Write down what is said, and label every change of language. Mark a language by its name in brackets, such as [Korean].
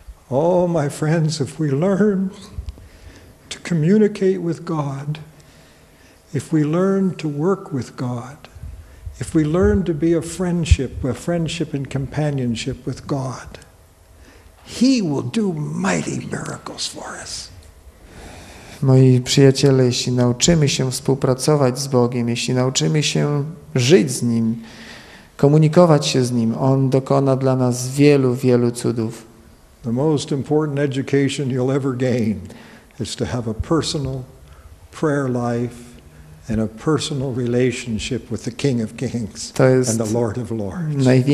[English] Oh, my friends, if we learn to communicate with God, if we learn to work with God, If we learn to be a friendship and companionship with God, He will do mighty miracles for us. [Polish] Moi przyjaciele, jeśli nauczymy się współpracować z Bogiem, jeśli nauczymy się żyć z Nim, komunikować się z Nim, On dokona dla nas wielu, wielu cudów. [English] The most important education you'll ever gain is to have a personal prayer life and a personal relationship with the King of Kings and the Lord of Lords.